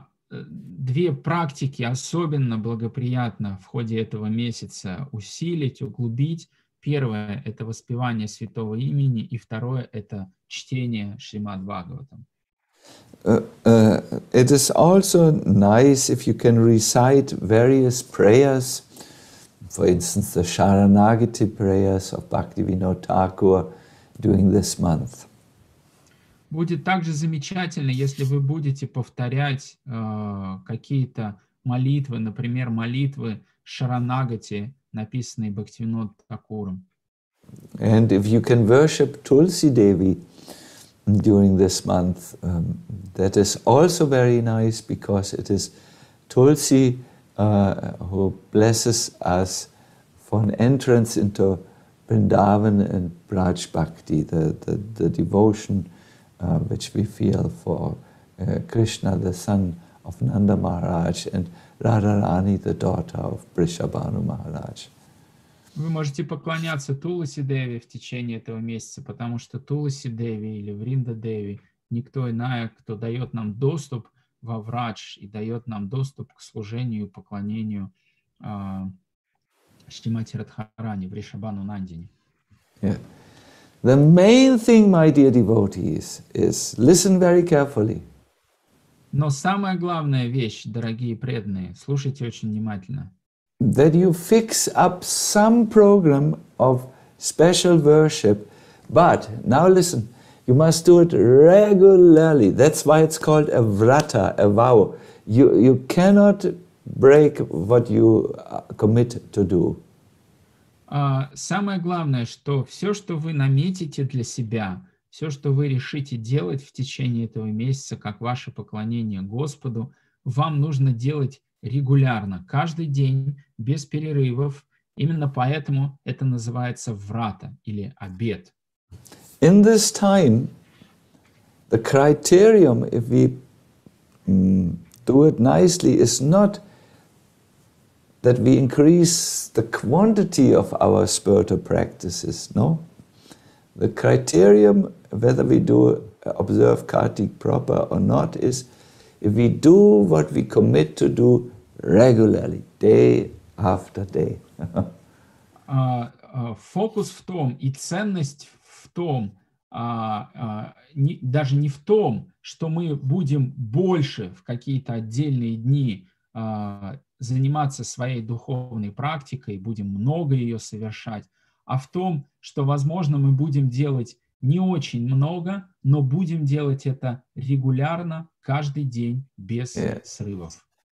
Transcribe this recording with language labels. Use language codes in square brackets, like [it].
[ru] Две практики особенно благоприятно в ходе этого месяца усилить, углубить. Первое – это воспевание святого имени, и второе – это чтение Шримад Бхагаватам. [en] It is also nice if you can recite various prayers, for instance, the Sharanagati prayers of Bhaktivinoda Thakur during this month. [ru] Будет также замечательно, если вы будете повторять какие-то молитвы, например, молитвы Шаранагати, написанные Бхактивинод Такуром. [en] And if you can worship Tulsi Devi during this month, that is also very nice, because it is Tulsi who blesses us for an entrance into Vrindavan and Braj Bhakti, the devotion which we feel for Krishna, the son of Nanda Maharaj, and Radharani, the daughter of Vrishabhanu Maharaj. [ru] Вы можете поклоняться Туласи Деви в течение этого месяца, потому что Туласи Деви или Вринда Деви – никто иная, кто дает нам доступ во врач и дает нам доступ к служению, поклонению Шримати Радхарани, Вришабану Нандине. [en] Yeah. The main thing, my dear devotees, is listen very carefully. [ru] Но самая главная вещь, дорогие преданные, слушайте очень внимательно. [en] That you fix up some program of special worship, but now listen, you must do it regularly. That's why it's called a vrata, a vow. You cannot break what you commit to do. [ru] Самое главное, что все, что вы наметите для себя, все, что вы решите делать в течение этого месяца, как ваше поклонение Господу, вам нужно делать регулярно, каждый день, без перерывов. Именно поэтому это называется врата или обет. [en] In this time, the criterion, if we do it nicely, is not that we increase the quantity of our spiritual practices, no. The criterion, whether we do observe Kartik proper or not, is if we do what we commit to do regularly, day after day. [ru] Фокус в том, и ценность в том, даже не в том, что мы будем больше в какие-то отдельные дни заниматься своей духовной практикой, будем много ее совершать, а в том, что, возможно, мы будем делать не очень много, но будем делать это регулярно, каждый день, без срывов.